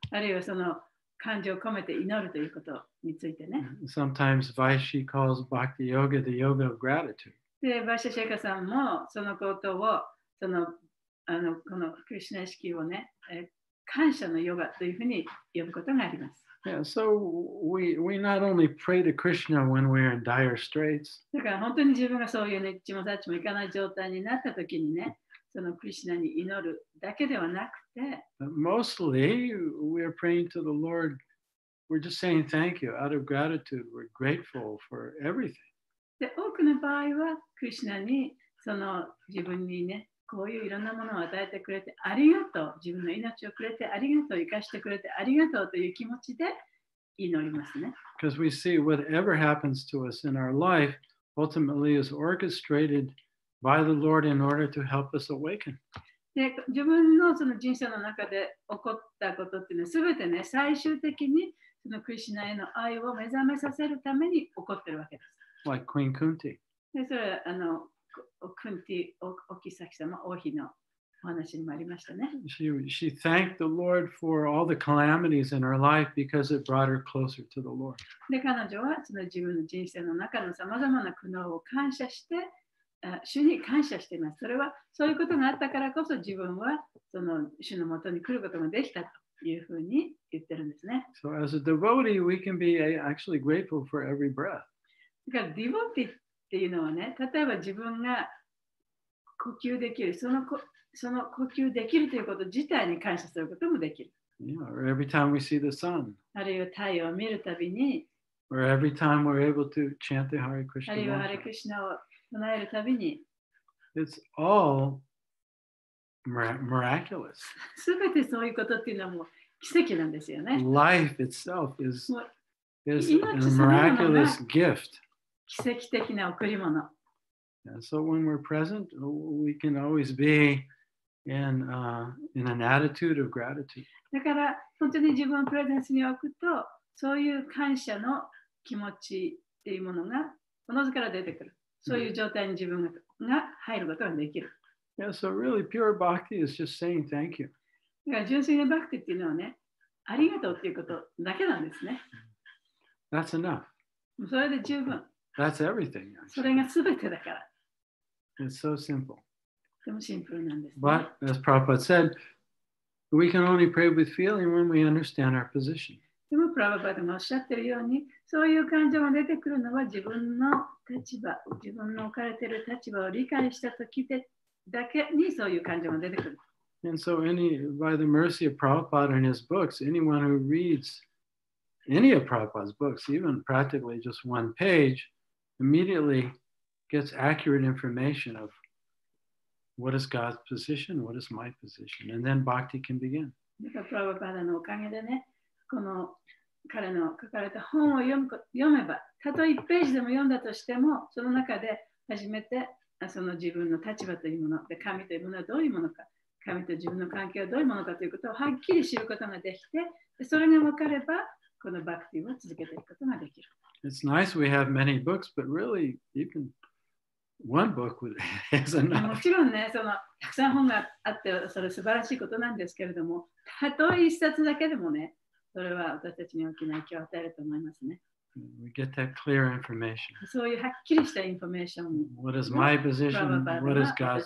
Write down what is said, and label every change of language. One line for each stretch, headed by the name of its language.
Japanese: あるいはその感情を込めて祈るということについてね。
English: Sometimes Vaishi calls bhakti yoga the yoga of gratitude.
Japanese: で、バイシャシェイカさんもそのことを、その、あの、このクリシナ意識をね、感謝のヨガというふうに呼ぶことがあります。
English: Yeah, so we not only pray to Krishna when we are in dire straits.
Japanese: だから本当に自分がそういうね、自分たちも行かない状態になった時にね、そのクリシナに祈るだけではなくて、
English: But mostly we are praying to the Lord. We're just saying thank you out of gratitude. We're grateful for everything.
Japanese: で、多くの場合はクリシナにその自分にね。こういういろんなものを与えてくれてありがとう。自分の命をくれてありがとう。生かしてくれてありがとうという気持ちで祈りますね。
English: Because we see whatever happens to us in our life ultimately is orchestrated by the Lord in order to help us awaken.
Japanese: で、自分のその人生の中で起こったことっていうのは全てね、最終的にそのクリシナへの愛を目覚めさせるために起こってるわけです。
English: Like Queen Kunti.
Japanese: で、それはあの、クンティ、オキサキ様、王妃のお話にもありましたね。
English: She thanked the Lord for all the calamities in her life because it brought her closer to the Lord.
Japanese: で、彼女はその自分の人生の中のさまざまな苦悩を感謝して、主に感謝しています。それはそういうことがあったからこそ自分はその主のもとに来ることができたというふうに言ってるんですね。
English: So as a devotee, we can be actually grateful for every breath.
Japanese: だからディボティっていうのはね、例えば自分が呼吸できる、その呼吸できるということ自体に感謝することもできる。
English: Yeah, or every time we see the sun.
Japanese: あるいは太陽を見るたびに。
English: Or every time we're able to chant the Hare Krishna.
Japanese: あるいはハレクリシナを唱えるたびに。
English: It's all miraculous.
Japanese: すべてそういうことっていうのはもう奇跡なんですよね。
English: Life itself is a miraculous gift.
Japanese: 奇跡的な贈り物。
English: Yeah, so when we're present, we can always be in an attitude of gratitude.
Japanese: だから本当に自分をプレゼンスに置くと、そういう感謝の気持ちっていうものがおのずから出てくる。そういう状態に自分が入ることができる。
English: Yeah, so really pure bhakti is just saying thank you.
Japanese: だから純粋なバクティっていうのはね、ありがとうっていうことだけなんですね。
English: That's enough.
Japanese: それで十分。
English: That's everything.
Japanese: それがすべてだから。
English: It's so simple.
Japanese: でもシンプルなんです、ね。
English: But as Prabhupada said, we can only pray with feeling when we understand our position.
Japanese: でもプラバパでもおっしゃってるように、そういう感情が出てくるのは自分の立場、自分の置かれている立場を理解したときでだけにそういう感情が出てくる。
English: And so by the mercy of Prabhupada and his books, anyone who reads any of Prabhupada's books, even practically just one page, immediately gets accurate information of what is God's position, what is my position, and then bhakti can begin.
Japanese: だからプラバパダのおかげでね、この彼の書かれた本を読めば、たとえ1ページでも読んだとしても、その中で初めてその自分の立場というもので、神というものはどういうものか、神と自分の関係はどういうものかということをはっきり知ることができて、それが分かれば、このバクティを続けていくことができる。
English: It's nice we have many books, but really, even one book is enough.
Japanese: もちろんね、そのたくさん本があって、それ素晴らしいことなんですけれども、たとえ一冊だけでもね、それは私たちに大きな影響を与えると思いますね。
English: We get that clear information.
Japanese: そういうはっきりしたインフォメーション。
English: What is my position? What is God's position?